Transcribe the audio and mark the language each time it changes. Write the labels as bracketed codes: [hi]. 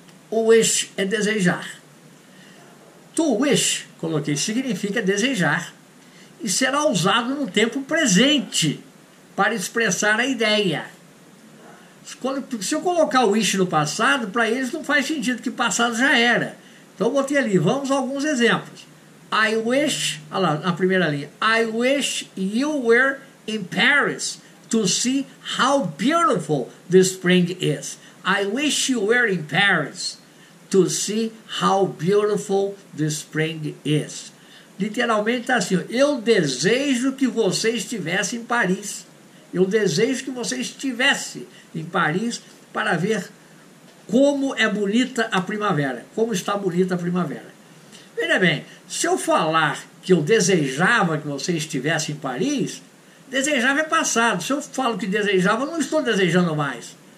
[pt] O wish é desejar. To wish, coloquei, significa desejar. E será usado no tempo presente para expressar a ideia. Se eu colocar o wish no passado, para eles não faz sentido, que passado já era. Então eu botei ali, vamos a alguns exemplos. I wish, olha lá, na primeira linha. [en] I wish you were in Paris to see how beautiful the spring is. I wish you were in Paris to see how beautiful the spring is. [pt] Literalmente está assim, eu desejo que você estivesse em Paris. Eu desejo que você estivesse em Paris para ver como é bonita a primavera, como está bonita a primavera. Veja bem, se eu falar que eu desejava que você estivesse em Paris, desejava é passado. Se eu falo que desejava, eu não estou desejando mais.